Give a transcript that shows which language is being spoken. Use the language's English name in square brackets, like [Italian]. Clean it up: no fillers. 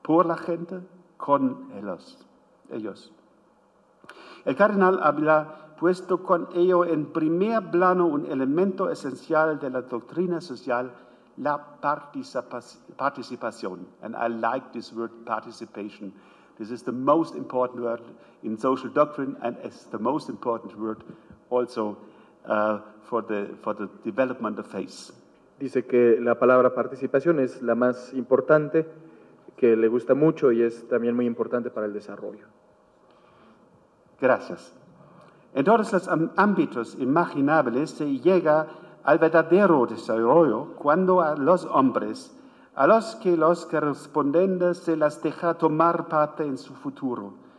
[Spanish] Por la gente, con ellos. El cardenal habla puesto con ello en primer plano un elemento esencial de la doctrina social, la participación. [English] And I like this word, participation. This is the most important word in social doctrine, and it's the most important word also for the development of faith. [Spanish] Dice que la palabra participación es la más importante, que le gusta mucho y es también muy importante para el desarrollo. Gracias. En todos los ámbitos imaginables se llega al verdadero desarrollo cuando a los hombres, a los que los correspondientes se las deja tomar parte en su futuro.